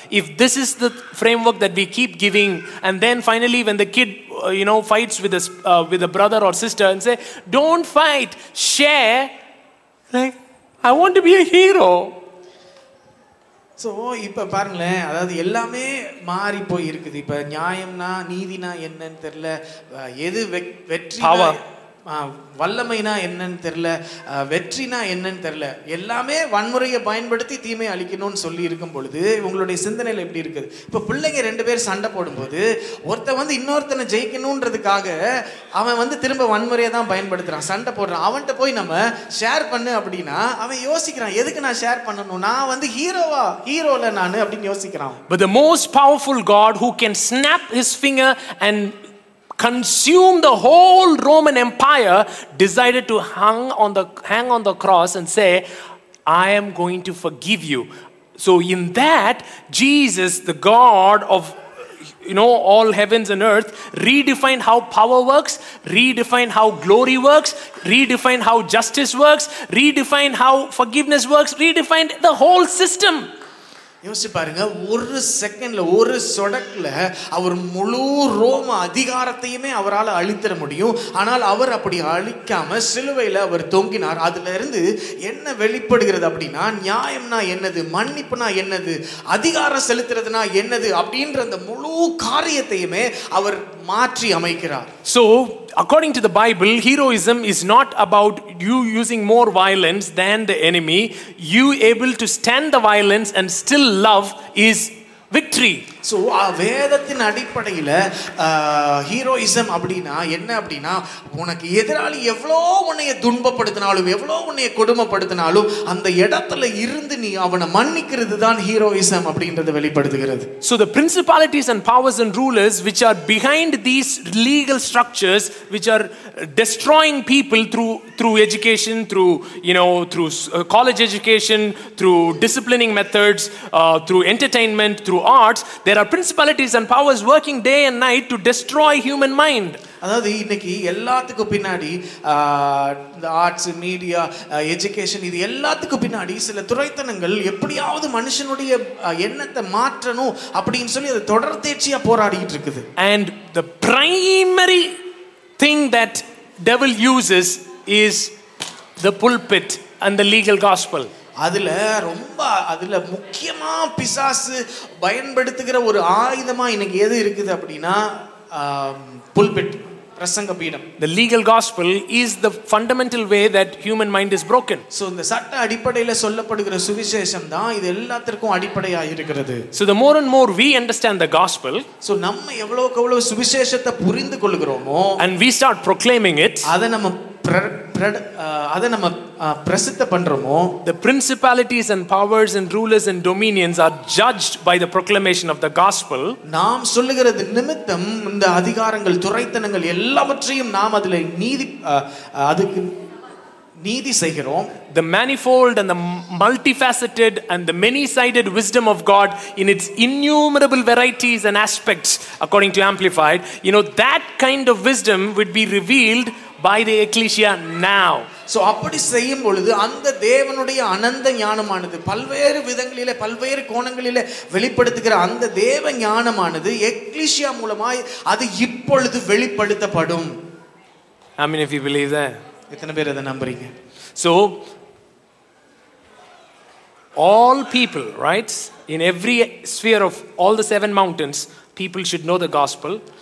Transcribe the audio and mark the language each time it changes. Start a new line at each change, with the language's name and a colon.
English: If this is the framework that we keep giving, and then finally when the kid fights with a brother or sister and say don't fight, share, like I want to be a hero.
Tamil: So இப்போ பாருங்களேன் அதாவது எல்லாமே மாறி போயிருக்குது. இப்போ நியாயம்னா நீதினா என்னன்னு தெரியல, எது வெற்றி வல்லமைனா என்னன்னு தெரியல, வெற்றினா என்னன்னு தெரியல, எல்லாமே வன்முறையை பயன்படுத்தி தீமை அழிக்கணும்னு சொல்லி இருக்கும் பொழுது இவங்களுடைய சிந்தனையில் எப்படி இருக்குது? இப்போ பிள்ளைங்க ரெண்டு பேர் சண்டை போடும்போது ஒருத்த வந்து இன்னொருத்தனை ஜெயிக்கணுன்றதுக்காக அவன் வந்து திரும்ப வன்முறையை தான் பயன்படுத்துகிறான், சண்டை போடுறான். அவன்கிட்ட போய் நம்ம ஷேர் பண்ணு அப்படின்னா அவன் யோசிக்கிறான் எதுக்கு நான் ஷேர் பண்ணணும், நான் வந்து ஹீரோவா ஹீரோல நான் அப்படின்னு யோசிக்கிறான்.
English: But the most powerful God who can snap his finger and consume the whole Roman Empire decided to hang on the cross and say I am going to forgive you. So in that Jesus, the God of all heavens and earth, redefined how power works, redefined how glory works, redefined how justice works, redefined how forgiveness works, redefined the whole system.
Tamil: யோசிச்சு பாருங்க, ஒரு செகண்ட்ல ஒரு சொடக்குல அவர் முழு ரோம அதிகாரத்தையுமே அவரால் அழித்திட முடியும். ஆனால் அவர் அப்படி அழிக்காம சிலுவையில அவர் தொங்கினார். அதுல இருந்து என்ன வெளிப்படுகிறது அப்படின்னா நியாயம்னா என்னது, மன்னிப்புனா என்னது, அதிகாரம் செலுத்துறதுனா என்னது அப்படின்ற அந்த முழு காரியத்தையுமே அவர் மாற்றி அமைக்கிறார்.
English: So according to the Bible, heroism is not about you using more violence than the enemy. You able to stand the violence and still love is victory.
Tamil: So வேதத்தின் அடிப்படையில் ஹீரோயிசம் அப்படின்னா என்ன அப்படின்னா உனக்கு எதிராளி எவ்வளோ உன்னைய துன்பப்படுத்தினாலும் எவ்வளோ உன்னைய கொடுமைப்படுத்தினாலும் அந்த இடத்துல இருந்து நீ அவனை மன்னிக்கிறது தான் ஹீரோயிசம் அப்படின்றத வெளிப்படுத்துகிறது.
English: So the principalities and powers and rulers which are behind these legal structures which are destroying people through education, through college education, through disciplining methods, through entertainment, through arts, there are principalities and powers working day and night to destroy human mind.
Tamil: அதாவது இன்னைக்கு எல்லாத்துக்கும் பின்னாடி இந்த arts, media, education, இது எல்லாத்துக்கும் பின்னாடி சில துறைத்தனங்கள் எப்படியாவது மனுஷனுடைய எண்ணத்தை மாற்றணும் அப்படின்னு சொல்லி அது தொடர் தேர்ச்சியா போராடிட்டு இருக்குது.
English: And the primary thing that devil uses is the pulpit and the legal gospel.
Tamil: அதுல ரொம்ப அதுல முக்கியமா பிசாசு பயன்படுத்துகிற ஒரு ஆயுதமா இன்னைக்கு எது இருக்குது அப்படின்னா புல்பிட், பிரசங்க பீடம்.
English: The legal gospel is the fundamental way that human mind is broken.
Tamil: So இந்த சட்ட அடிப்படையில் சொல்லப்படுகிற சுவிசேஷம் தான் இது எல்லாத்துக்கும் அடிப்படையாக இருக்கிறது.
English: So the more and more we understand the gospel,
Tamil: so நம்ம எவ்வளவுக்கு எவ்வளவு சுவிசேஷத்தை புரிந்து கொள்கிறோமோ
English: and we start proclaiming it,
Tamil: அதை நம்ம
English: the principalities and powers and rulers and dominions are judged by the proclamation of the gospel.
Tamil: நாம் சொல்லுகிறது நிமித்தம் இந்த அதிகாரங்கள் துரைத்தனங்கள் எல்லாவற்றையும் நாம் அதுல நீதி அதுக்கு நீதி செய்கிறோம்.
English: The manifold and the multifaceted and the many-sided wisdom of God in its innumerable varieties and aspects, according to Amplified, you know, that kind of wisdom would be revealed by the ecclesia now.
Tamil: So அப்படி செய்யும் பொழுது அந்த தேவனுடைய அனந்த ஞானமானது பல்வேறு விதங்களிலே பல்வேறு கோணங்களிலே வெளிப்படுத்துகிற அந்த தேவ ஞானமானது எக்லிசியா மூலமாய் அது இப்பொழுது வெளிப்படுத்தப்படும்.
English: I mean, if you believe that.
Tamil: எத்தனை பேர் அதை நம்புறீங்க?
English: So all people, right, in every sphere of all the seven mountains, people should know the gospel.